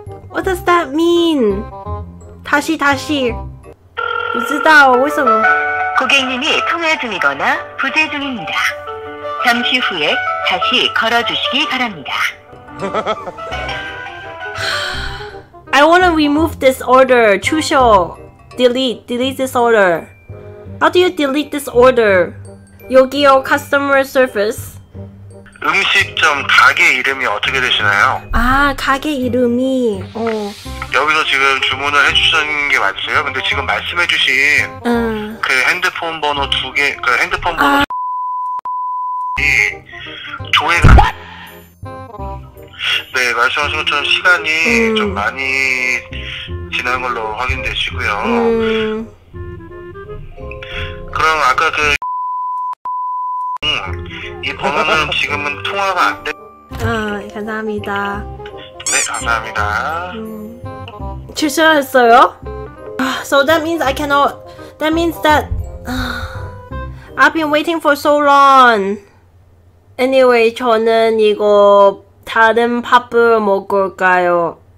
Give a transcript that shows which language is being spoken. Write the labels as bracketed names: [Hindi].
[English] What does that mean? [Korean] 다시. [Chinese] 不知道为什么. [Korean] 고객님이 통화 중이거나 부재 중입니다. 잠시 후에 다시 걸어주시기 바랍니다. [English] I want to remove this order. [Korean] 추셔. [English] Delete this order. How do you delete this order? [Korean] 여기요, [English] customer service. [Korean] 음식점 가게 이름이 어떻게 되시나요? 아, 가게 이름이. 여기서 지금 주문을 해주신 게 맞으세요? 근데 지금 말씀해주신 그 핸드폰 번호 두 개, 그 핸드폰 번호 아. 조회가. 네, 말씀하신 것처럼 시간이 좀 많이 지난 걸로 확인되시고요. 그럼 아까 그이 번호는 지금은 통화가 안 돼. 감사합니다. 네, 감사합니다. 출소했어요? [English] So that means I cannot. That means that I've been waiting for so long. Anyway, [Korean] 저는 이거 다른 밥을 먹을까요?